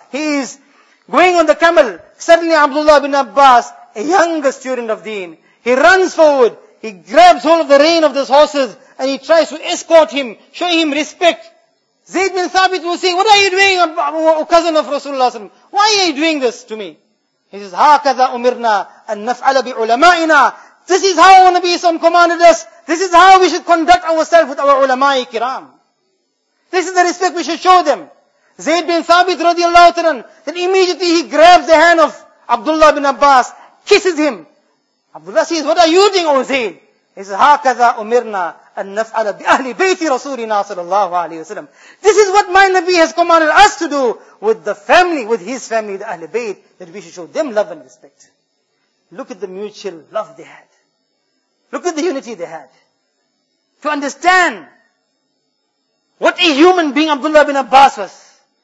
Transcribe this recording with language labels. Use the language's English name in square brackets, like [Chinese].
[English] He is going on the camel. Suddenly Abdullah bin Abbas, a younger student of deen, he runs forward. He grabs hold of the rein of those horses and he tries to escort him, show him respect. Zayd bin Thabit will say, what are you doing, O cousin of Rasulullah? Why are you doing this to me? He says, [Arabic] هَكَذَا أُمِرْنَا أَن نَفْعَلَ بِعُلَمَائِنَا. [English] This is how our Nabi Sallam commanded us. This is how we should conduct ourselves with our ulama-i kiram. This is the respect we should show them. Zayd bin Thabit radiallahu ta'ala, then immediately he grabs the hand of Abdullah bin Abbas, kisses him. Abdullah says, what are you doing, O Zayd? He says, [Arabic] هَكَذَا أُمِرْنَا أَن نَفْعَلَ بِأَهْلِ بَيْتِ رَسُولِنَا صلى الله عليه وسلم. [English] This is what my Nabi has commanded us to do with the family, with his family, the Ahl Bayt, that we should show them love and respect. Look at the mutual love they had. Look at the unity they had. To understand what a human being Abdullah bin Abbas was.